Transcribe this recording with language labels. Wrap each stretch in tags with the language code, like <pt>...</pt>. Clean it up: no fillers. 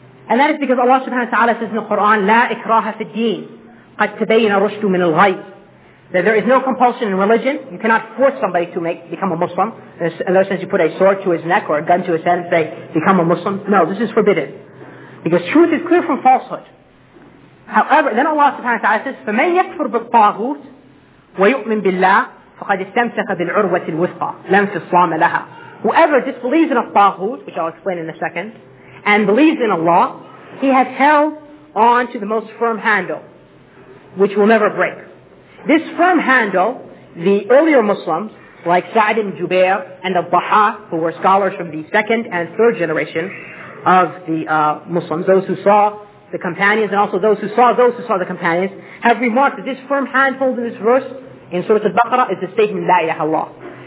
<en>And that is because Allah subhanahu wa ta'ala says in the Quran,</en> <ar>La ikraha fi al-deen, qad tabayyana rushdu min al-ghayy.</ar> <en>That there is no compulsion in religion. You cannot force somebody to become a Muslim. In other sense, you put a sword to his neck or a gun to his head and say, become a Muslim. No, this is forbidden. Because truth is clear from falsehood. However, then</en> <ar>Allah subhanahu wa ta'ala says, فَمَنْ يَكْفُرْ بِالطَّاغُوتِ وَيُؤْمِنْ بِاللَّهِ فَقَدْ اسْتَمْسَكَ بِالْعُرْوَةِ الْوُثْقَى لَنْ فِصَّامَ لَهَا.</ar> <en>Whoever disbelieves in a taghut, which I'll explain in a second, and believes in Allah, he has held on to the most firm handle, which will never break. This firm handle, the earlier Muslims, like Sa'd ibn Jubair and al-Baha, who were scholars from the second and third generation of the Muslims, those who saw the companions, and also those who saw the companions, have remarked that this firm handhold in this verse in Surah Al-Baqarah is the statement, La ilaha illallah.</en>